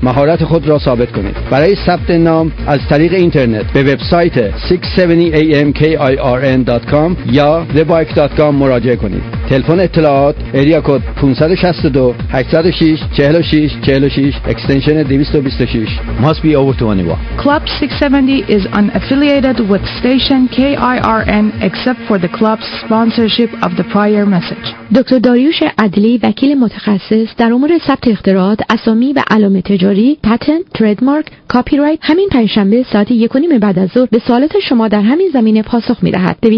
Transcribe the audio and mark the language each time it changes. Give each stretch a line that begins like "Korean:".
Persian: مهارت خود را ثابت کنید. برای ثبت نام از طریق اینترنت به وبسایت 670amkirn.com یا thebike.com مراجعه کنید. تلفن اطلاعات ایریا کد 562-806-4646 اکستنشن 226.
English: Must be over 21. Club 670 is unaffiliated with station KIRN except for the club's sponsorship of the prior message.
Persian: دکتر داریوش عدلی وکیل متخصص در امور ثبت اختراعات، اسامی و علائم تجاری، پتنت، تریدمارک، کپی رایت همین پنجشنبه ساعت 1:30 بعد از ظهر به سوالات شما در همین زمینه پاسخ می‌دهد.